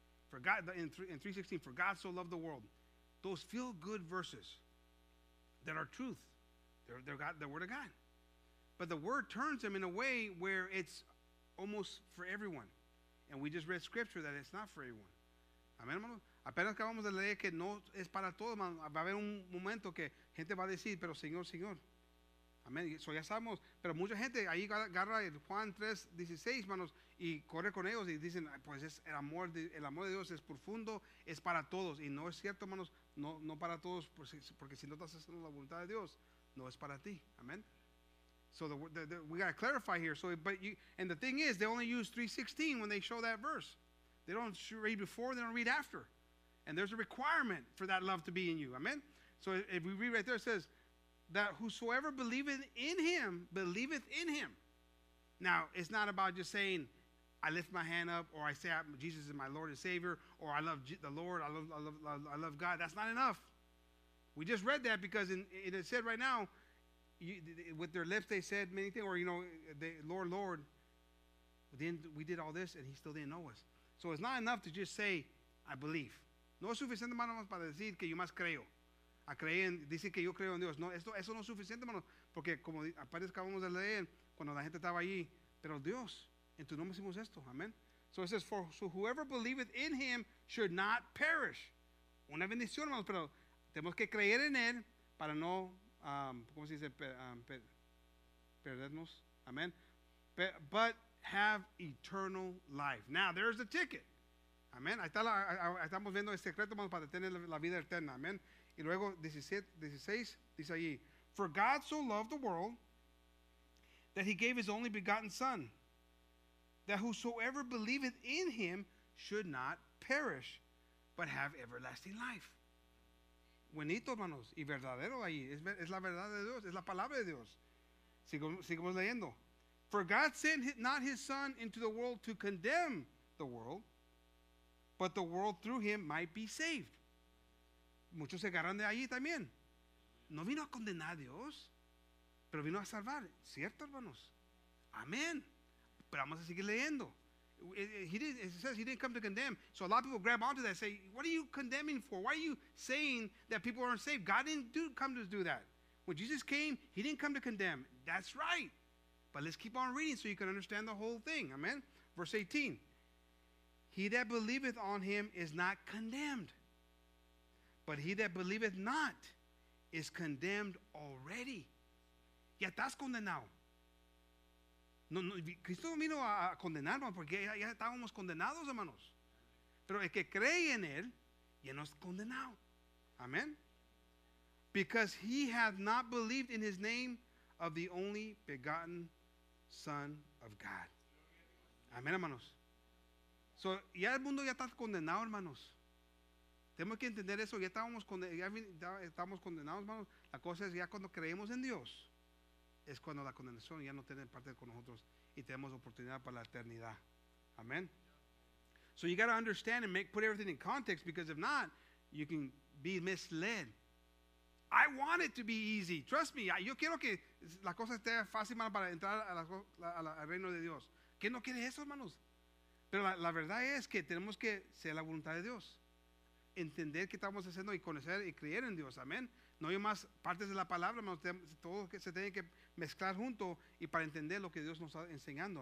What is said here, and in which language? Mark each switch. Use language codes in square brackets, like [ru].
[en] For God, in 3:16, for God so loved the world. Those feel good verses that are truth. They're God, the word of God. But the word turns them in a way where it's almost for everyone. And we just read scripture that it's not for everyone. Amen, [es] hermano. Apenas acabamos de leer que no es para todos, hermano. Va a haber un momento que gente va a decir, pero Señor, Señor. Amen. Eso ya sabemos. Pero mucha gente ahí agarra el Juan 3:16, hermanos, y corre con ellos y dicen, pues es el amor de Dios es profundo, es para todos. Y no es cierto, hermanos, no para todos, porque si no estás haciendo la voluntad de Dios, no es para ti. [en] Amen. So the we got to clarify here. And the thing is, they only use 3:16 when they show that verse. They don't read before, they don't read after. And there's a requirement for that love to be in you. Amen? So if we read right there, it says, that whosoever believeth in him, believeth in him. Now, it's not about just saying, I lift my hand up, or I say, Jesus is my Lord and Savior, or I love the Lord, I love God. That's not enough. We just read that because it said right now, with their lips they said many things, or, you know, they, Lord, Lord, then we did all this and he still didn't know us. So it's not enough to just say, I believe. [es] No es suficiente, hermano, para decir que yo más creo. A creer en, dice que yo creo en Dios. No, esto, eso no es suficiente, hermano. Porque como aparte acabamos de leer, cuando la gente estaba allí, pero Dios, en tu nombre hicimos esto. Amén. [en] So it says, so whoever believeth in him should not perish. [es] Una bendición, hermano, pero tenemos que creer en él para no, ¿cómo se dice? Perdernos. Amén. [en] But have eternal life. Now, there's the ticket. Amén. [es] Estamos viendo el secreto, hermano, para tener la vida eterna. Amén. Y luego 16 dice allí, [en] for God so loved the world that he gave his only begotten son, that whosoever believeth in him should not perish, but have everlasting life. [es] Buenito, hermanos, y verdadero allí. Es la verdad de Dios, es la palabra de Dios. Sigamos leyendo. [en] For God sent not his son into the world to condemn the world, but the world through him might be saved. [es] Muchos se agarran de allí también. No vino a condenar a Dios, pero vino a salvar. ¿Cierto, hermanos? Amén. Pero vamos a seguir leyendo. [en] It says he didn't come to condemn. So a lot of people grab onto that and say, what are you condemning for? Why are you saying that people aren't saved? God didn't come to do that. When Jesus came, he didn't come to condemn. That's right. But let's keep on reading so you can understand the whole thing. Amen. Verse 18. He that believeth on him is not condemned. But he that believeth not is condemned already. [es] Ya estás condenado. No, Cristo no vino a condenar, porque ya estábamos condenados, hermanos. Pero el que cree en él, ya no es condenado. Amén. [en] Because he hath not believed in his name of the only begotten Son of God. [es] Amén, hermanos. So, ya el mundo ya está condenado, hermanos. Tenemos que entender eso. Ya estábamos condenados, hermanos. La cosa es, ya cuando creemos en Dios, es cuando la condenación ya no tiene parte con nosotros y tenemos oportunidad para la eternidad. Amén. [en] So you got to understand and put everything in context, because if not, you can be misled. I want it to be easy. Trust me. [es] Yo quiero que la cosa esté fácil, hermano, para entrar al reino de Dios. ¿Quién no quiere eso, hermanos? Pero la verdad es que tenemos que ser la voluntad de Dios. Entender qué estamos haciendo y conocer y creer en Dios. Amén. No hay más partes de la palabra, hermano. Todo se tiene que mezclar junto y para entender lo que Dios nos está enseñando.